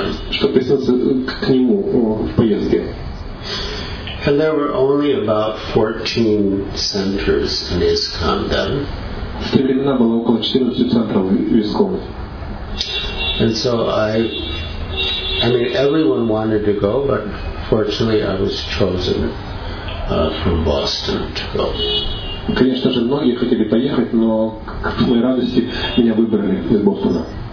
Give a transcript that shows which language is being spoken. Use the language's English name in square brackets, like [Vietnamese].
[Russian] Чтобы присоединиться к нему в поездке. [English] And there were only about 14 centers in ISKCON then. [Russian] В те времена было около 14 центров в ISKCON. [English] And so I mean, everyone wanted to go, but fortunately I was chosen from Boston to go. [Russian] Конечно же, многие хотели поехать, но к моей радости меня выбрали из Бостона.